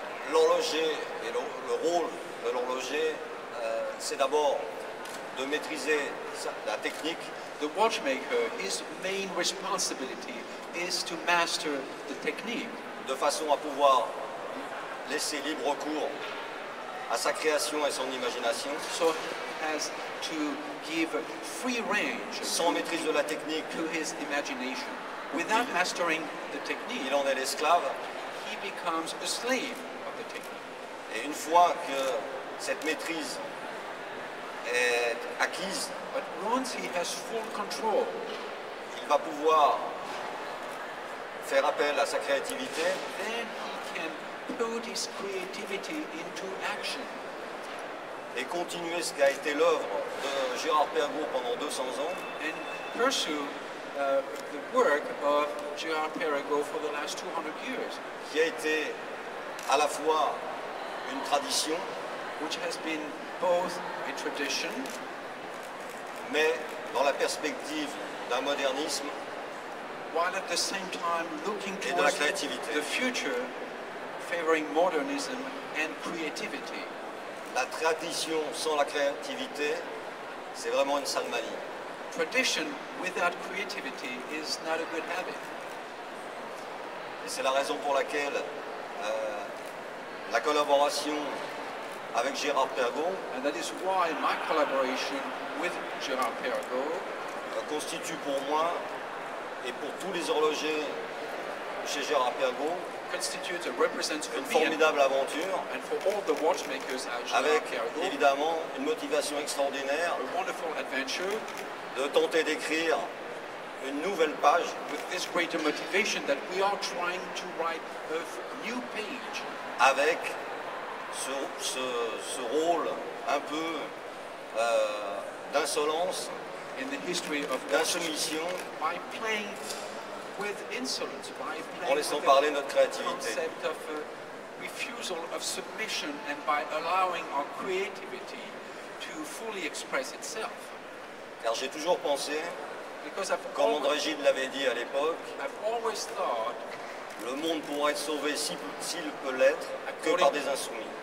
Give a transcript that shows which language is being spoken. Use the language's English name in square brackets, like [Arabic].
[French] L'horloger et le rôle de l'horloger, c'est d'abord de maîtriser la technique. [English] The watchmaker, his main responsibility is to master the technique. [French] De façon à pouvoir laisser libre cours à sa création et son imagination. [English] So as to give free range [French] sans maîtrise de la technique [English] to his imagination. Without mastering the technique, [French] il en est l'esclave. [English] He becomes a slave of the technique. [French] Et une fois que cette maîtrise est acquise, [English] but once he has full control, [French] il va pouvoir faire appel à sa créativité. [English] Then he can put his creativity into action. [French] Et continuer ce qui a été l'œuvre de Gérard Perregaux pendant 200 ans. [English] And pursue the work of Gérard Perregaux for the last 200 years. [French] Qui a été à la fois une tradition, [English] which has been both a tradition, [French] mais dans la perspective d'un modernisme, [English] while at the same time looking [French] et de la créativité. [English] The future, favoring modernism and creativity. [French] La tradition sans la créativité, c'est vraiment une sale manie. [English] Tradition without creativity is not a good habit. [French] Et c'est la raison pour laquelle la collaboration avec Gérard Perregaux, [English] and that is why my collaboration with Gérard Perregaux [French] constitue pour moi et pour tous les horlogers chez Gérard Perregaux [English] constitutes and represents [French] une formidable aventure [English] and for all the watchmakers at Gérard [French] avec Perregaux, évidemment une motivation extraordinaire, [English] a wonderful adventure, [French] de tenter d'écrire une nouvelle page [English] with this greater motivation that we are trying to write a new page [French] avec ce rôle un peu d'insolence, [English] in the history of [French] d'insoumission, [English] by playing with insolence, by playing [French] en laissant parler notre créativité, [English] concept of a refusal of submission and by allowing our creativity to fully express itself. [French] Car j'ai toujours pensé, comme André Gide l'avait dit à l'époque, [English] I've always thought, [French] le monde pourrait être sauvé s'il peut l'être que par des insoumis.